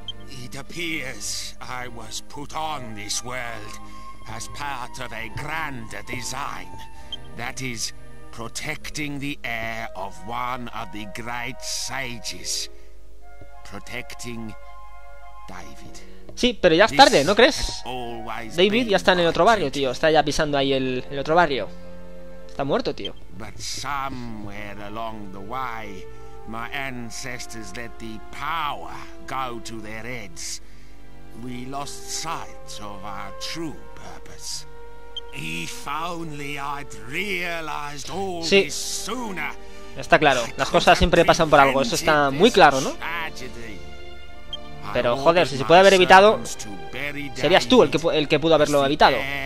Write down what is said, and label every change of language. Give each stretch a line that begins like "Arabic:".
English: It appears I was put on this world as part of a grander design. That is, protecting the heir of one of the great sages. Protecting David.
Spanish: Sí, pero ya es tarde, ¿no crees? David ya está en el otro barrio, tío. Está ya pisando ahí el otro barrio. Está muerto, tío.
English: But somewhere along the way, my ancestors let the power go to their heads. We lost sight of our true purpose. If only I'd realized all this sooner.
Spanish: Está claro, las cosas siempre pasan por algo. Eso está muy claro, ¿no? Pero joder, si se puede haber evitado, serías tú el que pudo haberlo evitado.